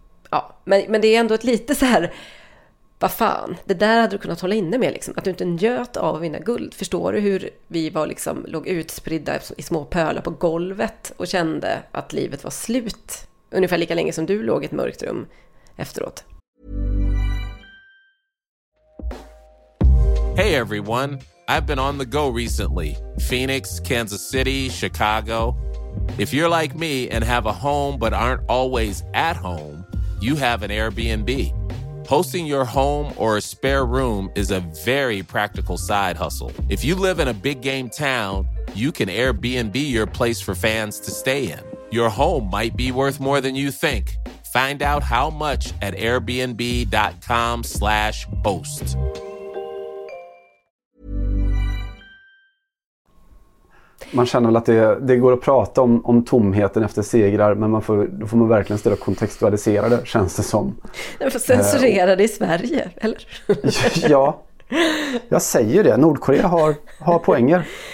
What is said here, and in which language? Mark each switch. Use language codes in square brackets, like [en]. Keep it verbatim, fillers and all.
[sv] Ja, men, men det är ändå ett lite så här... Vad fan, det där hade du kunnat hålla inne med liksom. Att du inte njöt av att vinna guld. Förstår du hur vi var liksom, låg utspridda i små pölar på golvet och kände att livet var slut? Ungefär lika länge som du låg i ett mörkt rum efteråt. [en] Hey everyone, I've been on the go recently. Phoenix, Kansas City, Chicago. If you're like me and have a home but aren't always at home, you have an Airbnb. Hosting your home or a spare room is a very practical side hustle. If you live in a big game town, you can Airbnb your place for fans to stay in. Your home might be worth more than you think. Find out how much at airbnb.com slash host. [sv] Man känner väl att det, det går att prata om, om tomheten efter segrar, men man får, då får man verkligen ställa och kontextualisera det, känns det som. Nej, för censurera det i Sverige, eller? Ja, jag säger det. Nordkorea har, har poänger.